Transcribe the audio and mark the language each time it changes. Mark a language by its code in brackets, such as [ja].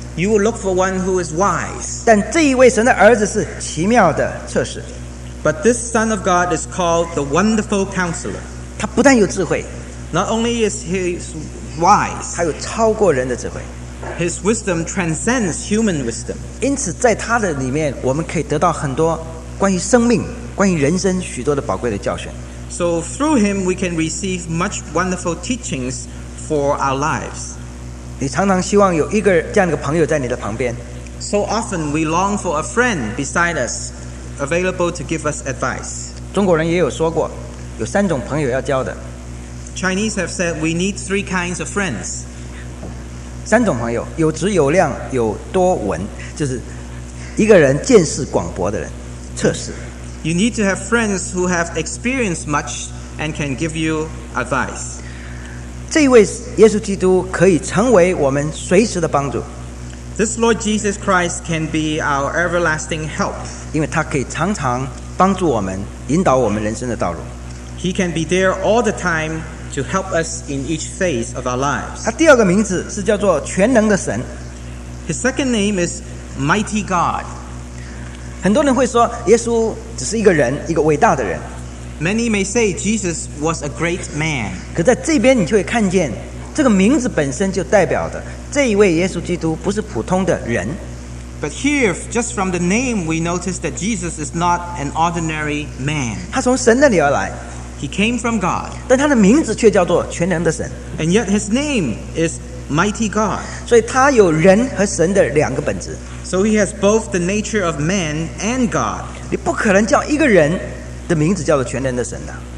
[en] You will look for one who is wise. [zh] 但这一位神的儿子是奇妙的测试。 [en] But this Son of God is called the Wonderful Counselor. [zh] 他不但有智慧, [en] not only is he wise, [zh] 他有超过人的智慧。 [en] His wisdom transcends human wisdom. [zh] 因此在他的里面, 我们可以得到很多, 关于生命, 关于人生, 许多的宝贵的教训。 [en] So through him we can receive much wonderful teachings for our lives. [zh] 你常常希望有一个这样的朋友在你的旁边。 [en] So often we long for a friend beside us, available to give us advice. [zh] 中国人也有说过, 有三种朋友要交的。 [en] Chinese have said we need three kinds of friends. [zh] 三种朋友, 有质有量, 有多闻, 就是一个人见识广博的人, 测试。 [en] You need to have friends who have experienced much and can give you advice. [zh] 这位耶稣基督可以成为我们随时的帮助。 [en] This Lord Jesus Christ can be our everlasting help. [zh] 因为他可以常常帮助我们, 引导我们人生的道路。 [en] He can be there all the time to help us in each phase of our lives. [zh] 他第二个名字是叫做全能的神。 [en] His second name is mighty God. [zh] 很多人会说, 耶稣只是一个人, 一个伟大的人。 [en] Many may say Jesus was a great man. [zh] 可在这边你就会看见, 这个名字本身就代表的, 这一位耶稣基督不是普通的人。 [en] But here, just from the name, we notice that Jesus is not an ordinary man. [zh] 他从神那里而来。 [en] He came from God. [zh] 但他的名字却叫做全能的神。 [en] And yet his name is Mighty God. [zh] 所以他有人和神的两个本质。 [en] So he has both the nature of man and God. [zh] 你不可能叫一个人的名字叫做全能的神的。